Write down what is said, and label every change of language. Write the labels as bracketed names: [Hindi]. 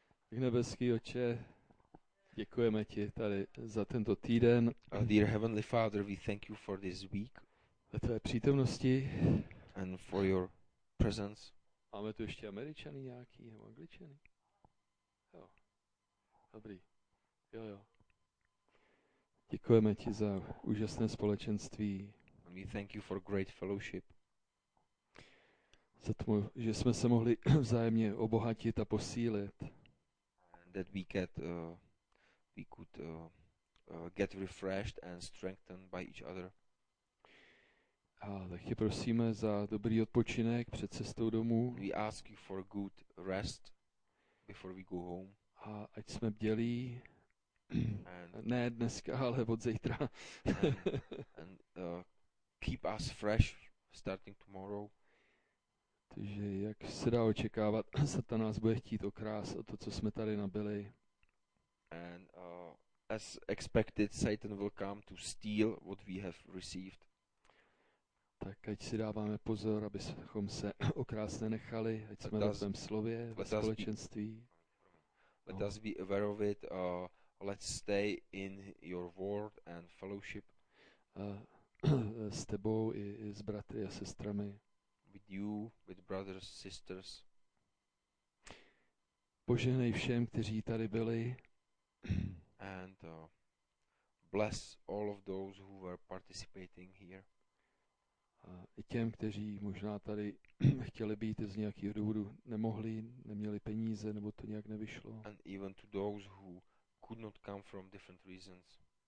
[Czech] Tak nebeský Otče, děkujeme ti tady za tento týden. [English] Dear Heavenly Father, we thank you for this week. [Czech] Za tvé přítomnosti. [English] And for your presence. [Czech] Máme tu ještě Američany nějaký, nebo Angličany? Jo, dobrý. Jo. Děkujeme ti za úžasné společenství. [English] And we thank you for great fellowship. [Czech] Za to, že jsme se mohli vzájemně obohatit a posílit. [English] That we could get refreshed and strengthened by each other. [Czech] A tak tě prosíme za dobrý odpočinek před cestou domů. [English] We ask you for a good rest before we go home. [Czech] A ať jsme bdělí. Ne dneska, ale od zítra. [English] and keep us fresh starting tomorrow. [Czech] Takže jak se dá očekávat, Satan nás bude chtít okrást o to, co jsme tady nabili. [English] And as expected, Satan will come to steal what we have received. [Czech] Tak ať si dáváme pozor, abychom se okrást nenechali, ať jsme na tvém slově, ve společenství. [English] Let us be aware of it, let's stay in your word and fellowship. [Czech] S tebou i s bratry a sestrami. [English] With you, with brothers, sisters. [Czech] Požehnej všem, kteří tady byli. [English] And bless all of those who were participating here. [Czech] I těm, kteří možná tady chtěli být, z nějakého důvodu nemohli, neměli peníze, nebo to nějak nevyšlo. [English] And even to those who could not come from different reasons.